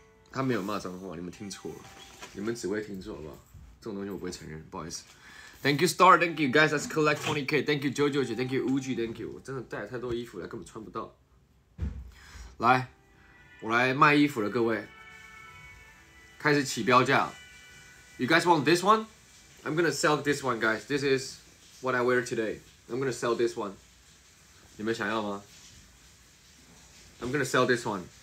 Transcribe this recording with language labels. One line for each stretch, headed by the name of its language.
Chinese: 他没有骂脏话，你们听错了，你们只会听错好不好？这种东西我不会承认，不好意思。
English: Thank you Star, Thank you guys, Let's collect 20k. Thank you JoJo, Thank you Uji, Thank you.
Chinese: 我真的带了太多衣服了，根本穿不到。来，我来卖衣服了，各位，开始起标价。
English: You guys want this one? I'm gonna sell this one, guys. This is what I wear today. I'm gonna sell this one.
Chinese: 你们想要吗？
English: I'm gonna sell this one.